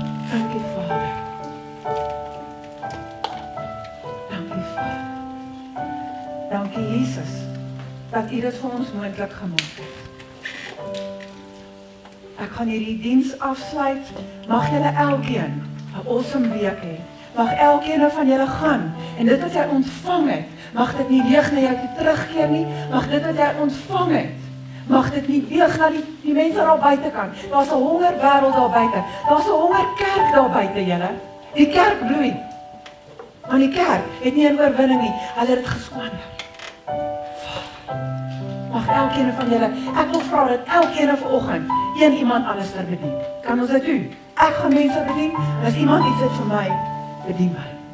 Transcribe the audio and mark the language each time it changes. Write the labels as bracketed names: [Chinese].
[English] Thank you, Father. Thank you, Father. Thank you, Jesus, that you have made it possible for us. [Afrikaans] Ek gaan hierdie diens afsluit. Mag julle elkeen 'n awesome week hê. Mag elkeen van julle gaan en dit wat jy ontvang het, mag dit nie leeg na jou terugkeer nie. Mag dit wat jy ontvang het, mag dit nie leeg na die mense daar buite kan. Daar's 'n honger wêreld daar buite. Daar's 'n honger kerk daar buite, julle. Die kerk bloei. Maar die kerk het nie 'n oorwinning nie. Hulle het geskwander. Mag elkeen van julle, ek wil vra dat elkeen vanoggend een iemand alles ter bedien. Kan ons dit doen? Ek gaan mense bedien, as iemand iets het vir my, bedien my.